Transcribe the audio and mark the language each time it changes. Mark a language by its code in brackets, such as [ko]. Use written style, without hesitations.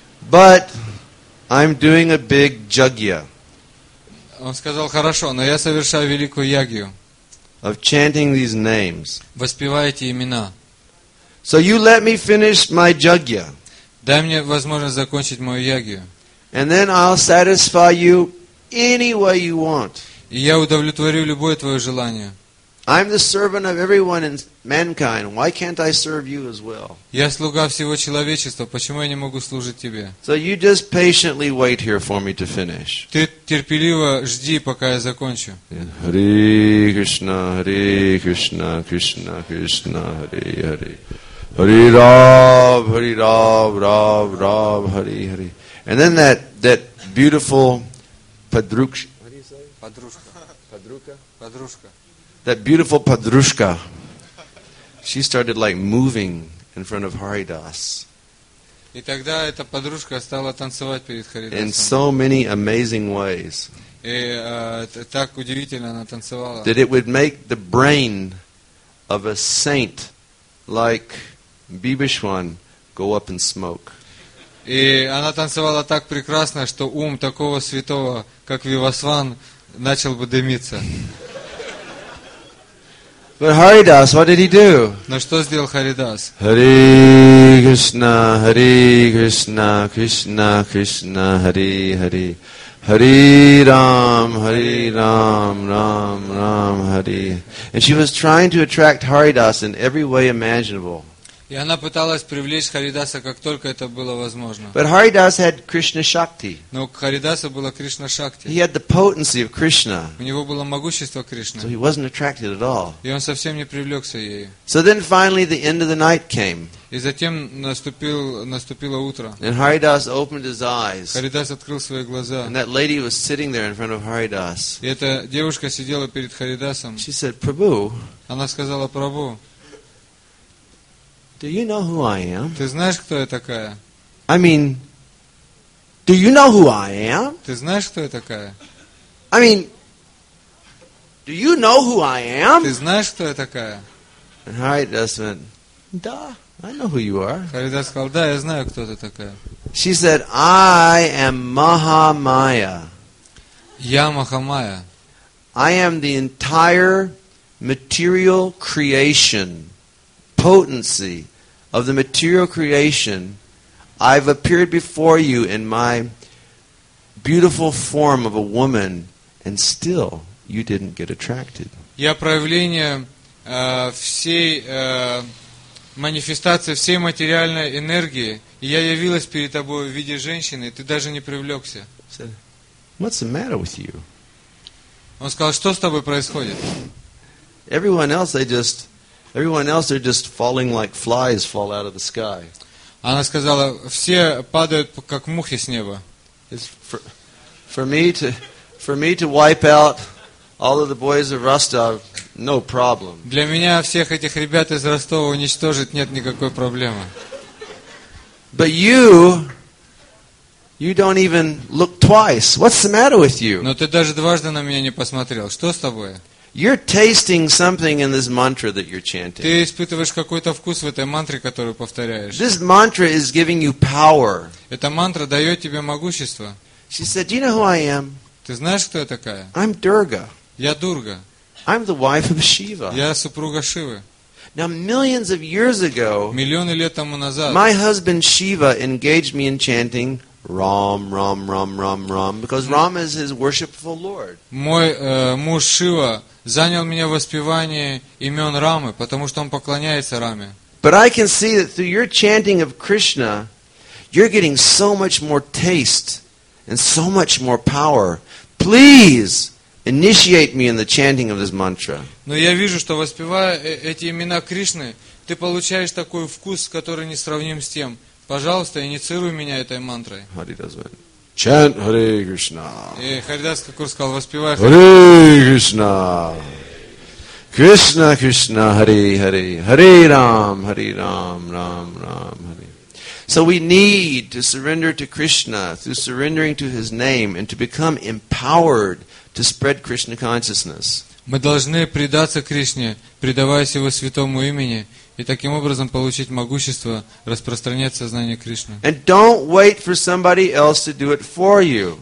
[en] But I'm doing a big jagya. [ru] Он сказал, хорошо, но я совершаю великую ягью. [en] Of chanting these names. [ru] Воспевая эти имена. [en] So you let me finish my jagya. [ru] Дай мне возможность закончить мою ягью. [en] And then I'll satisfy you any way you want. [ru] И я удовлетворю любое твое желание. [en] I'm the servant of everyone in mankind. Why can't I serve you as well? [ru] Я слуга всего человечества. Почему я не могу служить тебе? [en] So you just patiently wait here for me to finish. [ru] Ты терпеливо жди, пока я закончу. [sa] Hare Krishna, Hare Krishna, Krishna Krishna, Hare Hare. Hari Rav, Hari Rav, Rav, Rav, Hari, Hari. [en] And then that beautiful padruksh. How do you say? [ru] Padrushka. Padruka? Padrushka. [en] That beautiful padrushka. She started like moving in front of Haridas. [ru] И тогда эта подружка стала танцевать перед Харидасом. [en] In so many amazing ways. [ru] И так удивительно она танцевала. [en] That it would make the brain of a saint like Bibishwan go up in smoke. [ru] И она танцевала так прекрасно, что ум такого святого, как Вивасван, начал бы дымиться. [en] But Haridas, what did he do? [ru] Но что сделал Харидас? [sa] Hare Krishna, Hare Krishna, Krishna Krishna, Hare Hare. Hare Ram, Hare Ram, Ram Ram, Hare. [en] And she was trying to attract Haridas in every way imaginable. [ru] И она пыталась привлечь Харидаса, как только это было возможно. [en] But Haridas had Krishna Shakti. [ru] Но у Харидаса была Кришна Шакти. [en] He had the potency of Krishna. [ru] У него было могущество Кришны. [en] So he wasn't attracted at all. [ru] И он совсем не привлекся ею. [en] So then finally the end of the night came. [ru] И затем наступило утро. [en] And Haridas opened his eyes. [ru] Харидас открыл свои глаза. [en] And that lady was sitting there in front of Haridas. [ru] И эта девушка сидела перед Харидасом. [en] She said, Prabhu. [ru] Она сказала, Прабху. [en] Do you know who I am? [ru] Ты знаешь, кто я такая? [en] I mean, do you know who I am? [ru] Ты знаешь, кто я такая? [en] I mean, do you know who I am? [ru] Ты знаешь, кто я такая? [en] And Haridas went, [ru] "Да, [en] I know who you are." [ru] Харидас сказал, "Да, я знаю, кто ты такая." [en] She said, "I am Mahamaya." [ru] Я Махамая. [en] I am the entire material creation. Potency of the material creation, I've appeared before you in my beautiful form of a woman, and still you didn't get attracted. [ru] Я проявление всей манифестации всей материальной энергии, и я явилась перед тобой в виде женщины, ты даже не привлекся. [en] Said, what's the matter with you? [ru] Он сказал, что с тобой происходит? [en] Everyone else, they just. Everyone else, they're just falling like flies fall out of the sky. [ru] Она сказала, все падают как мухи с неба. [en] For me to wipe out all of the boys of Rostov, no problem. [ru] Для меня всех этих ребят из Ростова уничтожить нет никакой проблемы. [en] But you don't even look twice. What's the matter with you? [ru] Но ты даже дважды на меня не посмотрел. Что с тобой? [en] You're tasting something in this mantra that you're chanting. [ru] Ты испытываешь какой-то вкус в этой мантре, которую повторяешь. [en] This mantra is giving you power. [ru] Эта мантра дает тебе могущество. [en] She said, "Do you know who I am?" [ru] Ты знаешь, кто я такая? [en] I'm Durga. [ru] Я Дурга. [en] I'm the wife of Shiva. [ru] Я супруга Шивы. [en] Now millions of years ago, [ru] миллионы лет тому назад, [en] my husband Shiva engaged me in chanting Ram, Ram, Ram, Ram, Ram, because Ram is his worshipful lord. [ru] Мой муж Шива занял меня в воспевании имен Рамы, потому что он поклоняется Раме. [en] But I can see that through your chanting of Krishna, you're getting so much more taste and so much more power. Please initiate me in the chanting of this mantra. [ru] Но я вижу, что воспевая эти имена Кришны, ты получаешь такой вкус, который не сравним с тем. Пожалуйста, инициируй меня этой мантрой. [en] Chant Hare Krishna. [ru] И Харидас Такур сказал, воспевай [sa] Hare Krishna. Krishna Krishna Hare Hare. Hare Ram, Ram Ram, Hare. [en] So we need to surrender to Krishna through surrendering to his name and to become empowered to spread Krishna consciousness. [ru] Мы должны предаться Кришне, предаваясь его святому имени, и таким образом получить могущество распространять сознание Кришны. [en] And don't wait for somebody else to do it for you.